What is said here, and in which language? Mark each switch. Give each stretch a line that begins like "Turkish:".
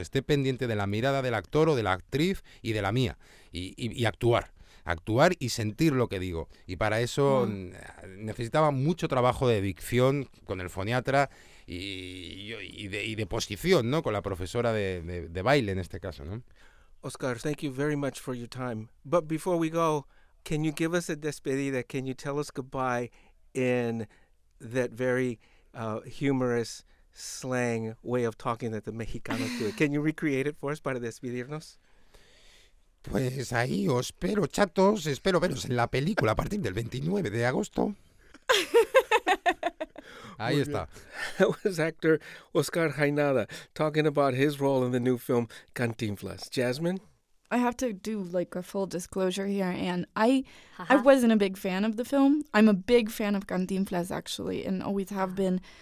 Spanish: Esté pendiente de la mirada del actor o de la actriz y de la mía, y actuar. Actuar y sentir lo que digo. Y para eso necesitaba mucho trabajo de dicción con el foniatra y de posición, ¿no? Con la profesora de baile en este caso, ¿no?
English: Oscar, thank you very much for your time. But before we go, can you give us a despedida? Can you tell us goodbye in that very humorous slang way of talking that the Mexicanos do? Can you recreate it for us
Spanish: para despedirnos? Pues ahí os espero, chatos. Espero veros en la película a partir del 29 de agosto. Ahí está.
English: That was actor Oscar Jainada talking about his role in the new film Cantinflas. Jasmine? I have to do like a full disclosure here, and I wasn't a big fan of the film. I'm a big fan of Cantinflas, actually, and always have been.